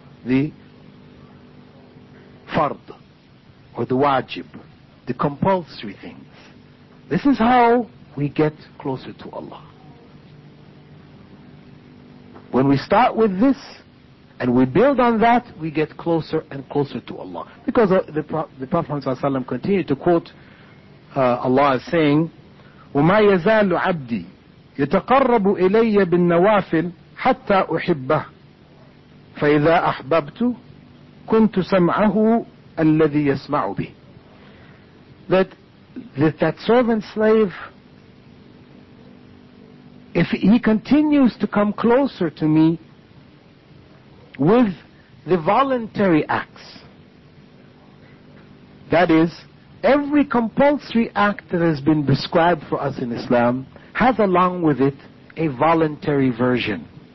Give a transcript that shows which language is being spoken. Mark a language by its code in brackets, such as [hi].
[en] the fard, or the wajib, the compulsory things. This is how we get closer to Allah. When we start with this, and we build on that, we get closer and closer to Allah. Because the Prophet ﷺ continued to quote Allah as saying, [ar] وَمَا يَزَالُ عَبْدِي يَتَقَرَّبُ إِلَيَّ بِالنَّوَافِلْ حَتَّى أُحِبَّهُ فَإِذَا أَحْبَبْتُ كُنْتُ سَمْعَهُ الَّذِي يَسْمَعُ بِهِ. [en] That servant slave, if he continues to come closer to me with the voluntary acts, that is, every compulsory act that has been prescribed for us in Islam has along with it a voluntary version.